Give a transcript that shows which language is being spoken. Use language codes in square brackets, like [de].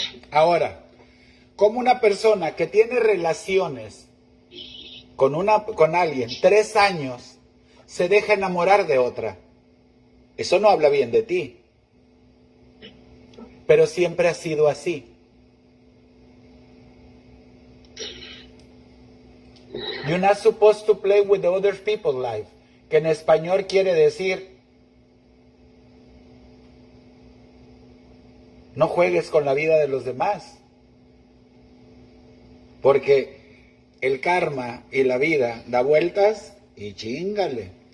[es] Ahora, como una persona que tiene relaciones con una, con alguien 3 años, se deja enamorar de otra. Eso no habla bien de ti. Pero siempre ha sido así. [en] You're not supposed to play with the other people's life. [es] Que en español quiere decir, no juegues con la vida de los demás. Porque el karma y la vida da vueltas y chíngale.